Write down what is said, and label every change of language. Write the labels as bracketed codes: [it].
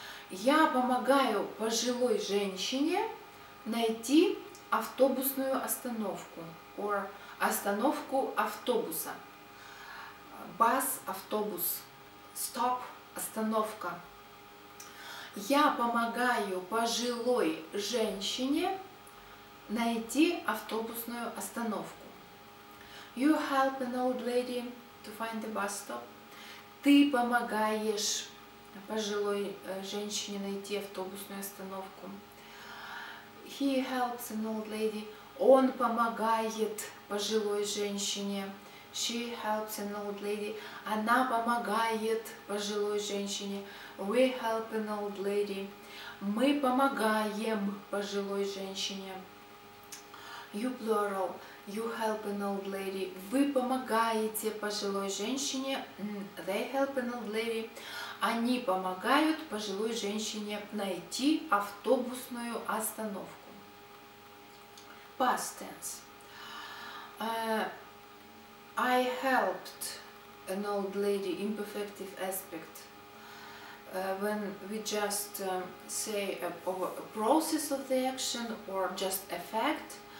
[ru] Я помогаю пожилой женщине найти автобусную остановку or остановку автобуса. [en] Bus, [ru] автобус, [en] stop, [ru] остановка. Я помогаю пожилой женщине найти автобусную остановку. [en] You help an old lady to find a bus stop. [ru] Ты помогаешь пожилой женщине найти автобусную остановку. [en] He helps an old lady. [ru] Он помогает пожилой женщине. [en] She helps an old lady. [ru] Она помогает пожилой женщине. [en] We help an old lady. [ru] Мы помогаем пожилой женщине. [en] You plural. You help an old lady. [ru] Вы помогаете пожилой женщине. [en] They help an old lady. [ru] Они помогают пожилой женщине найти автобусную остановку. [en] Past tense. I helped an old lady, imperfective aspect, when we just say a process of the action or just a fact.